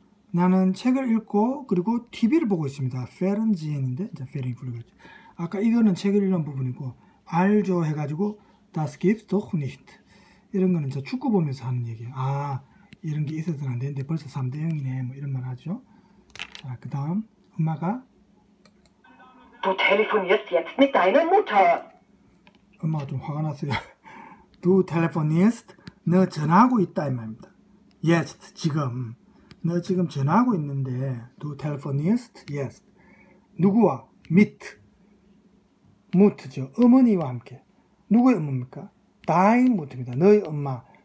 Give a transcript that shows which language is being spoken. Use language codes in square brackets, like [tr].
[ko] 나는 책을 읽고 그리고 TV를 보고 있습니다. Fernsehen인데 이제 Fernsehen 불러봤죠. 아까 이거는 책을 읽는 부분이고 알죠 해가지고 [de] das gibt's doch nicht [ko] 이런 거는 저 축구 보면서 하는 얘기예요. 아 이런 게 있어서는 안 되는데 벌써 3대 0이네 뭐 이런 말 하죠. 자 그 다음 엄마가 [de] Du telefonierst jetzt mit deiner Mutter. [ko] 엄마가 좀 화가 났어요. Du telefonierst 너 전화하고 있다 이 말입니다. Jetzt 지금 너 지금 전화하고 있는데 [de] Du telefonierst jetzt [ko] 누구와 mit 무트죠. 어머니와 함께. 누구의 엄마입니까? 다인 무트입니다. 너의 엄마.